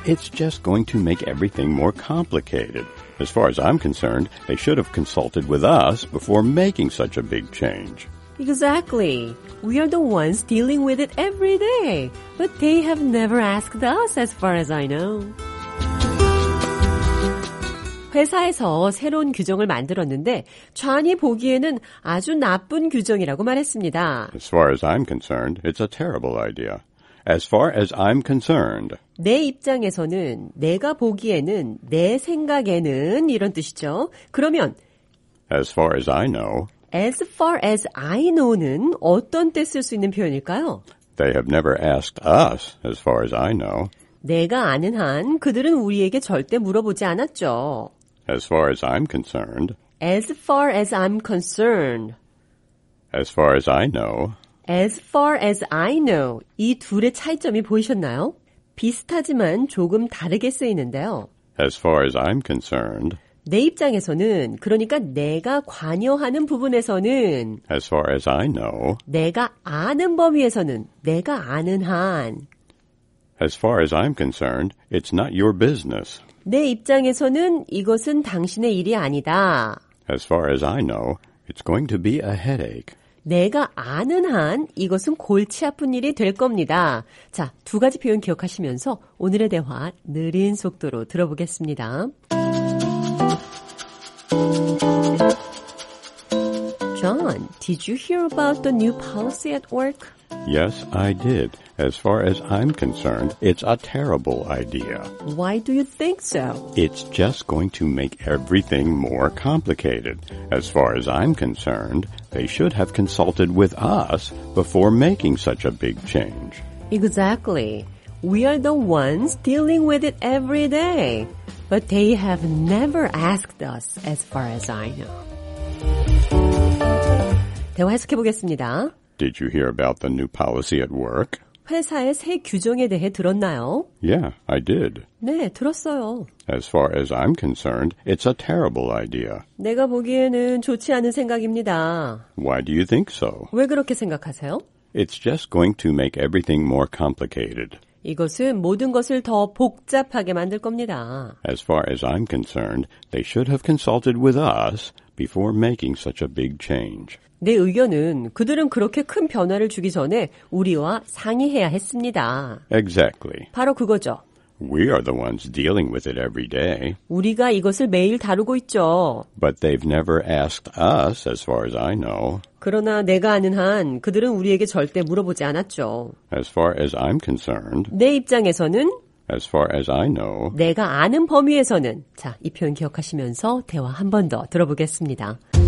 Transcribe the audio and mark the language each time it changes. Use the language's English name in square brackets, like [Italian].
[English] It's just going to make everything more complicated. As far as I'm concerned, they should have consulted with us before making such a big change. Exactly. We are the ones dealing with it every day. But they have never asked us, as far as I know. [Korean] 회사에서 새로운 규정을 만들었는데 존이 보기에는 아주 나쁜 규정이라고 말했습니다. [English] As far as I'm concerned, it's a terrible idea. As far as I'm concerned. [Korean] 내 입장에서는, 내가 보기에는, 내 생각에는 이런 뜻이죠. 그러면 [English] As far as I know. As far as I know [Korean] 는 어떤 때 쓸 수 있는 표현일까요? [English] They have never asked us, as far as I know. [Korean] 내가 아는 한 그들은 우리에게 절대 물어보지 않았죠. [English] As far as I'm concerned. As far as I'm concerned. As far as I know. As far as I know. [Korean] 이 둘의 차이점이 보이셨나요? 비슷하지만 조금 다르게 쓰이는데요. [English] As far as I'm concerned. [Korean] 내 입장에서는, 그러니까 내가 관여하는 부분에서는, [English] As far as I know. [Korean] 내가 아는 범위에서는, 내가 아는 한, [English] As far as I'm concerned, it's not your business. [Korean] 내 입장에서는 이것은 당신의 일이 아니다. [English] As far as I know, it's going to be a headache. [Korean] 내가 아는 한 이것은 골치 아픈 일이 될 겁니다. 자, 두 가지 표현 기억하시면서 오늘의 대화 느린 속도로 들어보겠습니다. [English] John, did you hear about the new policy at work? Yes, I did. As far as I'm concerned, it's a terrible idea. Why do you think so? It's just going to make everything more complicated. As far as I'm concerned, they should have consulted with us before making such a big change. Exactly. We are the ones dealing with it every day. But they have never asked us, as far as I know. [Korean] 대화 해석해 보겠습니다. [English] Did you hear about the new policy at work? [Korean] 회사의 새 규정에 대해 들었나요? [English] Yeah, I did. [Korean] 네, 들었어요. [English] As far as I'm concerned, it's a terrible idea. [Korean] 내가 보기에는 좋지 않은 생각입니다. [English] Why do you think so? [Korean] 왜 그렇게 생각하세요? [English] It's just going to make everything more complicated. [Korean] 이것은 모든 것을 더 복잡하게 만들 겁니다. [English] As far as I'm concerned, they should have consulted with us before making such a big change. [Korean] 내 의견은 그들은 그렇게 큰 변화를 주기 전에 우리와 상의해야 했습니다. [English] Exactly. [Korean] 바로 그거죠. [English] We are the ones dealing with it every day. [Korean] 우리가 이것을 매일 다루고 있죠. [English] But they've never asked us, as far as I know. [Korean] 그러나 내가 아는 한 그들은 우리에게 절대 물어보지 않았죠. [English] As far as I'm concerned. [Korean] 내 입장에서는. [English] As far as I know. [Korean] 내가 아는 범위에서는. 자, 이 표현 기억하시면서 대화 한 번 더 들어보겠습니다.